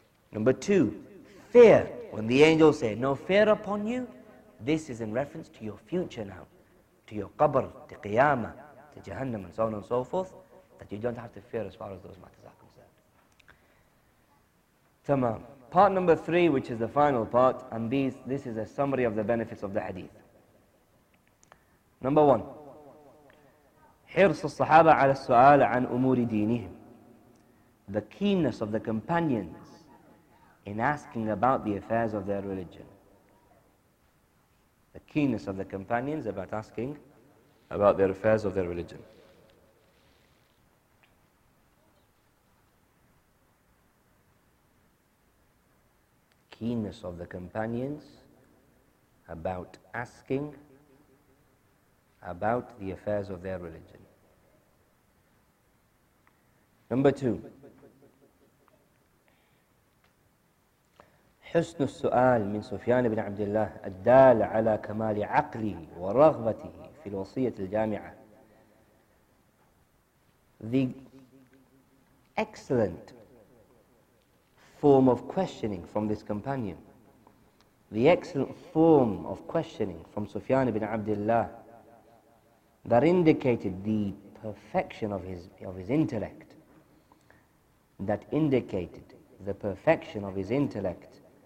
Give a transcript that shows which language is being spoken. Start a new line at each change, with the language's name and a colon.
English: Number two, fear, when the angels say no fear upon you, this is in reference to your future now, to your qabr, to qiyamah, to jahannam, and so on and so forth, that you don't have to fear as far as those matters are concerned. Tamam. Part number three, which is the final part, and these, this is a summary of the benefits of the hadith. Number one,
Arabic: حرص الصحابة على السؤال عن أمور دينهم.
English: The keenness of the companions in asking about the affairs of their religion. The keenness of the companions about asking about their affairs of their religion. Keenness of the companions about asking about the affairs of their religion. Number two.
Arabic: حسن السؤال من سفيان بن عبد الله الدال على كمال عقله ورغبته في الوصية الجامعة.
English: The excellent form of questioning from this companion, the excellent form of questioning from Sufyan ibn Abdullah, that indicated the perfection of his intellect, that indicated the perfection of his intellect